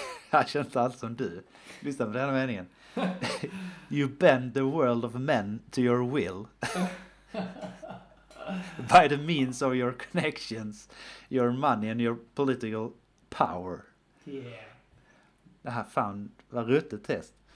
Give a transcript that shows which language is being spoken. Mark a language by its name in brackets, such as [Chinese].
[Swedish] Jag känns inte alls som du. Lyssna på den här meningen. [English] You bend the world of men to your will. By the means of your connections, your money and your political power. Yeah. [Swedish] Det här fan var ruttet test.